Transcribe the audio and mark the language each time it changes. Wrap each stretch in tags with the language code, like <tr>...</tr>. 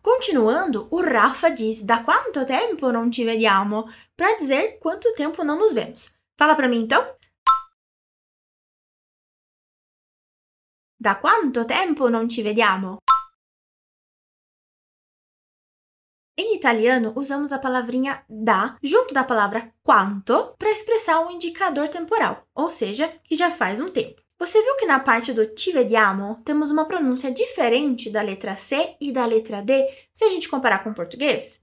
<pt>Continuando, o Rafa diz,</pt> <it>da quanto tempo non ci vediamo?</it> <pt>Para dizer quanto tempo não nos vemos. Fala para mim, então.</pt> <it>Da quanto tempo non ci vediamo?</it> <pt>Em italiano, usamos a palavrinha da junto da palavra quanto para expressar um indicador temporal, ou seja, que já faz um tempo. Você viu que na parte do</pt> <it>ti vediamo,</it> <pt>temos uma pronúncia diferente da letra C e da letra D se a gente comparar com o português?</pt>